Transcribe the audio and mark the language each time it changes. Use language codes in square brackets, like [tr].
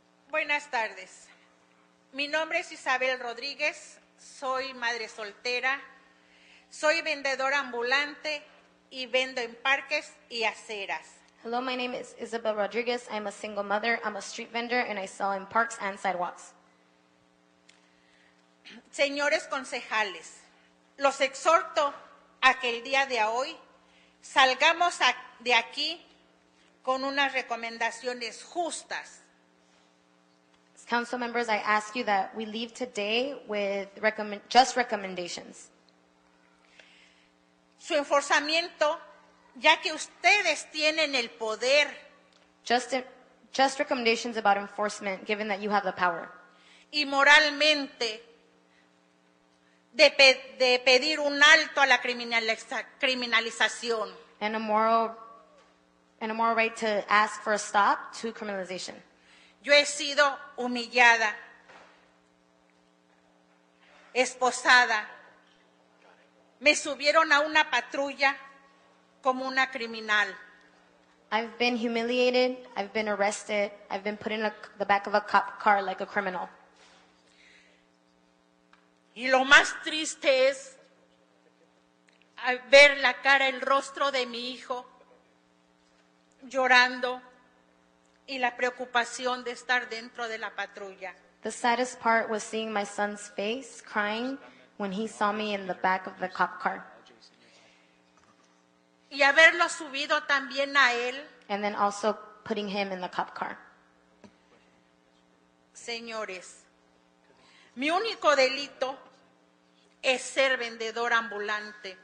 [es] Buenas tardes. Mi nombre es Isabel Rodriguez. Soy madre soltera. Soy vendedora ambulante. Y vendo en parques y aceras. [en] Hello, my name is Isabel Rodriguez. I'm a single mother. I'm a street vendor, and I sell in parks and sidewalks. [es] Señores concejales, los exhorto a que el día de hoy salgamos de aquí con unas recomendaciones justas. [en] As council members, I ask you that we leave today with just recommendations. [es] Su enforzamiento, ya que ustedes tienen el poder. [en] Just recommendations about enforcement, given that you have the power. [es] Y moralmente, de pedir un alto a la criminalización. [en] And a moral right to ask for a stop to criminalization. [es] Yo he sido humillada, esposada. Me subieron a una patrulla como una criminal. [en] I've been humiliated, I've been arrested, I've been put in the back of a cop car like a criminal. [es] Y lo más triste es ver la cara, el rostro de mi hijo llorando y la preocupación de estar dentro de la patrulla. [en] The saddest part was seeing my son's face crying when he saw me in the back of the cop car. [es] Y haberlo subido también a él. [en] And then also putting him in the cop car. [es] Señores, mi único delito es ser vendedor ambulante.